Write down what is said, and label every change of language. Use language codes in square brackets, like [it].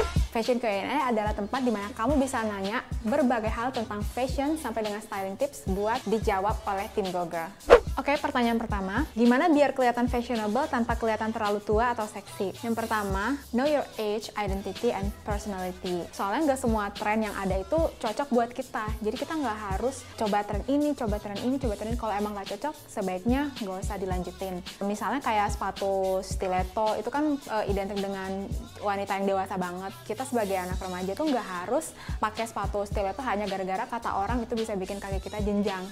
[id] Fashion Q&A adalah tempat di mana kamu bisa nanya berbagai hal tentang fashion sampai dengan styling tips buat dijawab oleh tim Google. Oke, pertanyaan pertama, gimana biar kelihatan fashionable tanpa kelihatan terlalu tua atau seksi? Yang pertama, [en] know your age, identity, and personality. [id] Soalnya nggak semua tren yang ada itu cocok buat kita. Jadi kita nggak harus coba tren ini. Kalau emang nggak cocok, sebaiknya nggak usah dilanjutin. Misalnya kayak sepatu stiletto, itu kan identik dengan wanita yang dewasa banget. Kita sebagai anak remaja tuh nggak harus pakai sepatu stiletto hanya gara-gara kata orang itu bisa bikin kaki kita jenjang.